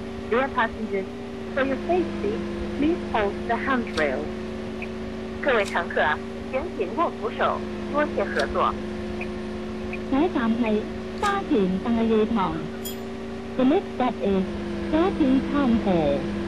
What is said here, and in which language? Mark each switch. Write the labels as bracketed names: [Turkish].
[English] Dear passengers, for your safety, please hold the handrail. [Chinese] 各位乘客，请紧握扶手，多谢合作。下一站是沙田大悦堂。 [English] The next stop is 沙田参河。